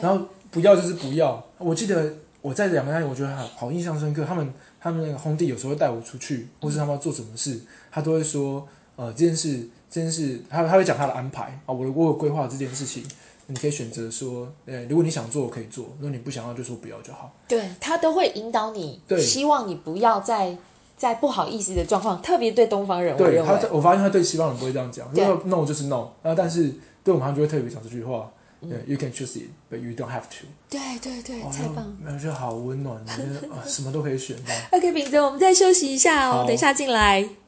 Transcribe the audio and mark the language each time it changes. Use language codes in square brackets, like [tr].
[zh] 然后不要就是不要，我记得我在两个人，我觉得好印象深刻，他们那个轰弟有时候会带我出去，或是他们要做什么事，他都会说，这件事，他会讲他的安排啊，我有规划这件事情，你可以选择说，如果你想做，我可以做；如果你不想要，就说不要就好。对他都会引导你，对，希望你不要再不好意思的状况，特别对东方人，对我认为他，我发现他对西方人不会这样讲，因为 no 就是 no， 但是对我们他就会特别讲这句话。 [en] Yeah, you can choose it, but you don't have to. [zh] 对对对，太棒！我觉得好温暖，觉得什么都可以选吧。 OK， 秉哲，我们再休息一下哦，等一下进来。